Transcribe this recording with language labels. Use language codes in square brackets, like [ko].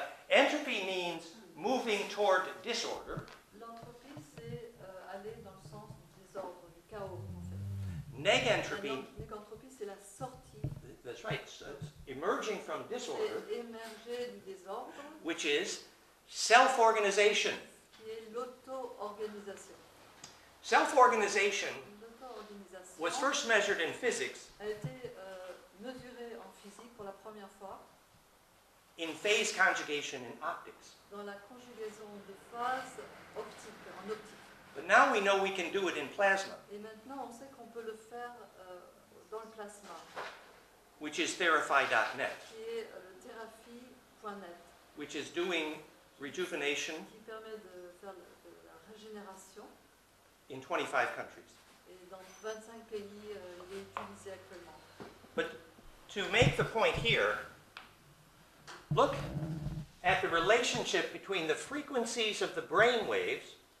[en] Entropy means moving toward disorder. [fr] L'entropie, c'est aller dans le sens du désordre, du chaos, en fait. [en] Negentropy, [fr] c'est la sortie. [en] That's right, so emerging from disorder. [fr] Émerger du désordre. [en] Which is self-organization. [fr] Qui est l'auto-organisation. [en] Self-organization was first measured in physics. [fr] A été mesuré en physique pour la première fois. [en] In phase conjugation in optics. [fr] Dans la conjugaison de phase optique, en optique. [en] But now we know we can do it in plasma. [fr] Et maintenant on sait qu'on peut le faire dans le plasma. [en] Which is therapy.net. [fr] Qui est therapy.net. [en] Which is doing rejuvenation. [fr] Qui permet de faire de la régénération. [en] In 25 countries. [fr] Et dans 25 pays il est utilisé actuellement. [en] But to make the point here, look at the relationship between the frequencies of the brain waves.